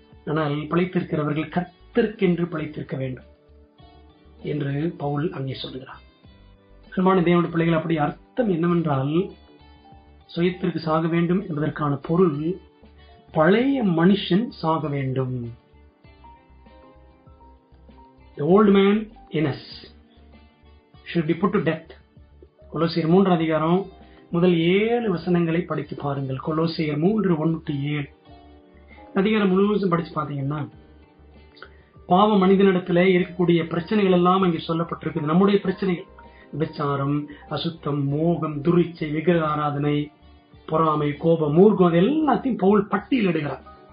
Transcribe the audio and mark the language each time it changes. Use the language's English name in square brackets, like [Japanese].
[Tamil] ஆனால் பழைத்திருக்கிறவர்கள் கர்த்தருக்கென்று பழைத்திருக்க வேண்டும் என்று பவுல் அங்கே சொல்கிறார். அன்பான தேவனுடைய பிள்ளைகள், அப்படி அர்த்தம் என்னவென்றால், சுயத்திற்கு சாக வேண்டும் என்பதற்கான பொருள், பழைய மனுஷன் சாக வேண்டும். [English] The old man in us should be put to death. [Tamil] கொலோசியர் 3:7 படித்து பாருங்கள். கொலோசியர் 3:1-7 அதிகாரம் முழுவதும் படித்து பார்த்தீங்கன்னா, பாவ மனிதனிடத்தில் இருக்கக்கூடிய பிரச்சனைகள் எல்லாம் இங்கே சொல்லப்பட்டிருக்கு. நம்முடைய பிரச்சனைகள், விசாரம், அசுத்தம், மோகம், துரிச்சை, விக்கிரக ஆராதனை, பொறாமை, கோபம், மூர்க்கம், எல்லாத்தையும் பவுல் பட்டியலிடுகிறார்.